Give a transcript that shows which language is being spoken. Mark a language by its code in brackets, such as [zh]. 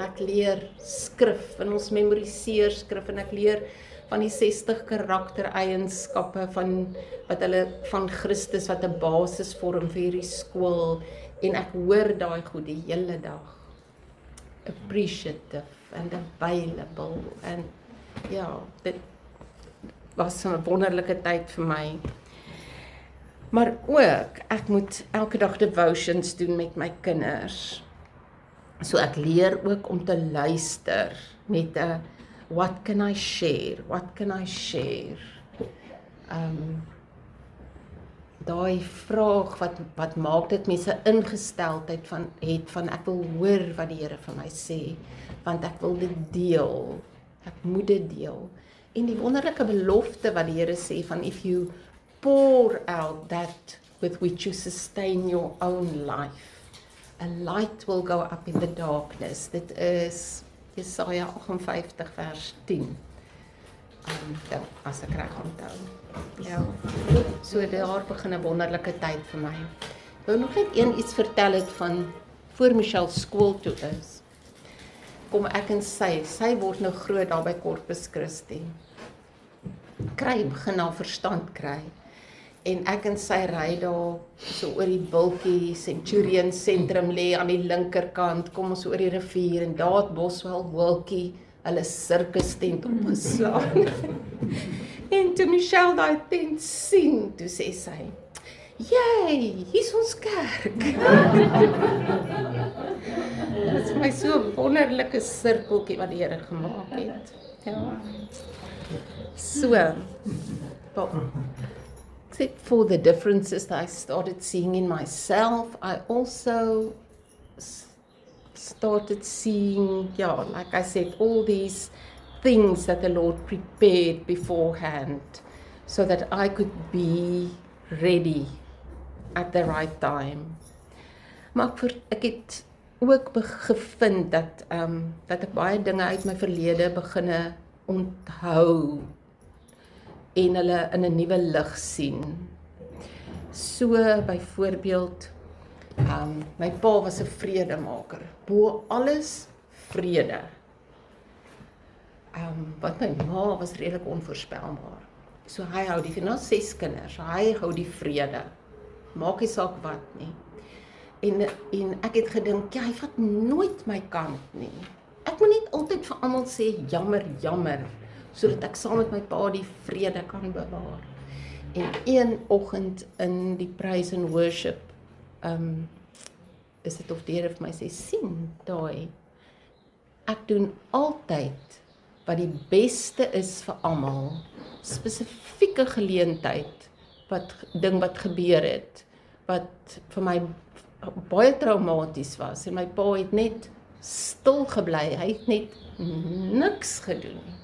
[af] Ek leer skrif en ons memoriseer skrif en ek leer van die 60 karaktereienskappe van wat hulle van Christus wat 'n basis vorm vir hierdie skool en ek hoor daai goed die hele dag. [en] Appreciative and available and [af] ja, dit was 'n wonderlike tyd vir my. Maar ook, ek moet elke dag devotions doen met my kinders. So ek leer ook om te luister met 'n [en] what can I share? What can I share? [af] Daai vraag wat maak dit mense ingesteldheid van het van ek wil hoor wat die Here vir my sê want ek wil dit deel. Ek moet dit deel. En die wonderlike belofte wat die Here sê van [en] if you pour out that with which you sustain your own life, a light will go up in the darkness. [af] Dit is Jesaja 58 vers 10. As ek reg onthou. Ja. So daar begin 'n wonderlike tyd vir my. Wou nog net een iets vertel het van voor Michelle skool toe is. Kom ek en sy word nou groot daar by Corpus Christi. Kry begin haar verstand kry. En ek en sy ry daar so oor die bultjie Centurion sentrum lê aan die linkerkant, kom ons oor die rivier en daar het Boswell Wilkie hulle sirkus tent opgeslaan. En toe Michelle daai tent sien, toe sê sy: "Jy, hier's ons kerk." Dit is my so wonderlike sirkeltjie wat die Here gemaak het. Ja. So. Bob. [en] Except for the differences that I started seeing in myself, I also started seeing, yeah, like I said, all these things that the Lord prepared beforehand so that I could be ready at the right time. [af] Maar ek het ook gevind dat dat ek baie dinge uit my verlede beginne onthou en hulle in 'n nuwe lig sien. So byvoorbeeld my pa was 'n vredemaker. Bo alles vrede. Want my ma was redelik onvoorspelbaar. So hy hou die finaal 6 kinders. Hy hou die vrede. Maak nie saak wat nie. En ek het gedink, ja, hy vat nooit my kant nie. Ek moet net altyd vir almal sê jammer, jammer, sodat ek saam met my pa die vrede kan bewaar. En een oggend in die [en] praise and worship [af] is dit of die Here vir my sê sien daai ek doen altyd wat die beste is vir almal spesifieke geleentheid wat ding wat gebeur het wat vir my baie traumaties was en my pa het net stil gebly hy het net niks gedoen